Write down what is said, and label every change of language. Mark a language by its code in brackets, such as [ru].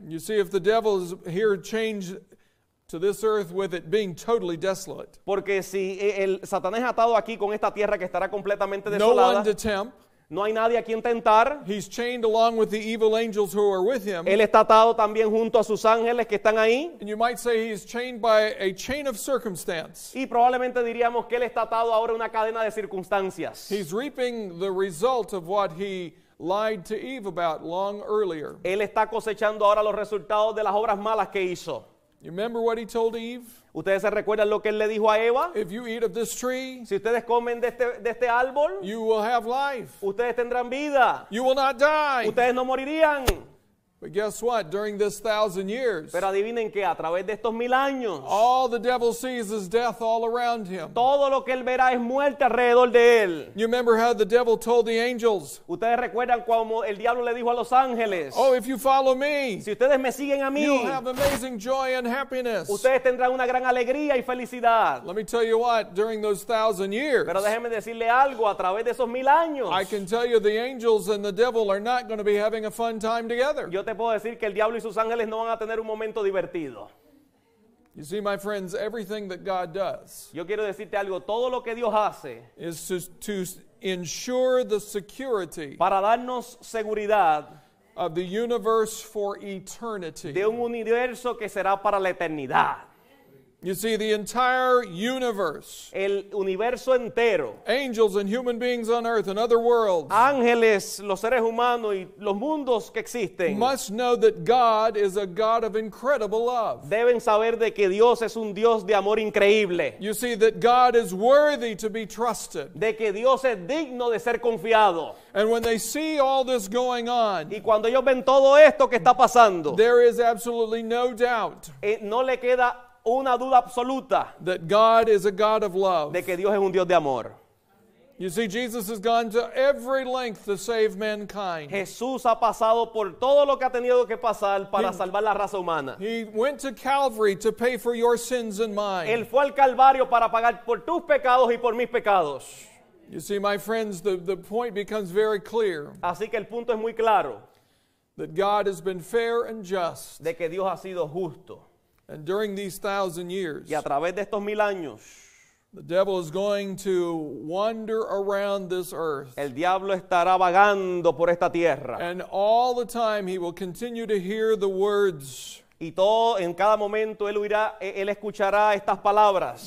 [en] You see, if the devil is here chained to this earth with it being totally desolate, [es] porque si el Satanás es atado aquí con esta tierra que estará completamente desolada, [en] no one to tempt. [es] No hay nadie a quien tentar. [en] He's chained along with the evil angels who are with him. [es] Él está atado también junto a sus ángeles que están ahí. [en] And you might say he's chained by a chain of circumstance. [es] Y probablemente diríamos que él está atado ahora una cadena de circunstancias. [en] He's reaping the result of what he lied to Eve about long earlier. [es] Él está cosechando ahora los resultados de las obras malas que hizo. [en] You remember what he told Eve? [es] ¿Ustedes se recuerdan lo que él le dijo a Eva? [en] If you eat of this tree, [es] si ustedes comen de este árbol, [en] you will have life. [es] Ustedes tendrán vida. [en] You will not die. [es] Ustedes no morirían. [en] But guess what? During this 1,000 years, [es] pero adivinen qué, a través de estos mil años, [en] all the devil sees is death all around him. [es] Todo lo que él verá es muerte alrededor de él. [en] You remember how the devil told the angels? [es] Ustedes recuerdan cómo el diablo le dijo a los ángeles? [en] Oh, if you follow me, [es] si ustedes me siguen a mí, [en] you'll have amazing joy and happiness. [es] Ustedes tendrán una gran alegría y felicidad. [en] Let me tell you what. During those 1,000 years, [es] pero déjenme decirle algo, a través de esos mil años, [en] I can tell you the angels and the devil are not going to be having a fun time together. [es] Te puedo decir que el diablo y sus ángeles no van a tener un momento divertido. [en] You see, my friends, everything that God does, [es] yo quiero decirte algo, todo lo que Dios hace, [en] is to ensure the security, [es] para darnos seguridad, [en] of the universe for eternity, [es] de un universo que será para la eternidad. [en] You see, the entire universe, [es] el universo entero, [en] angels and human beings on earth and other worlds, [es] ángeles, los seres humanos y los mundos que existen, [en] must know that God is a God of incredible love. [es] Deben saber de que Dios es un Dios de amor increíble. [en] You see, that God is worthy to be trusted. [es] De que Dios es digno de ser confiado. [en] And when they see all this going on, [es] y cuando ellos ven todo esto que está pasando, [en] there is absolutely no doubt. [es] No le queda una duda absoluta. [en] That God is a God of love. [es] De que Dios es un Dios de amor. [en] You see, Jesus has gone to every length to save mankind. [es] Jesús ha pasado por todo lo que ha tenido que pasar para salvar la raza humana. [en] He went to Calvary to pay for your sins and mine. [es] Él fue al Calvario para pagar por tus pecados y por mis pecados. [en] You see, my friends, the point becomes very clear. [es] Así que el punto es muy claro. [en] That God has been fair and just. [es] De que Dios ha sido justo. [en] And during these 1,000 years, [es] y a través de estos mil años, [en] the devil is going to wander around this earth. [es] El diablo estará vagando por esta tierra. [en] And all the time he will continue to hear the words. [es] Y todo, en cada momento él oirá, él escuchará estas palabras.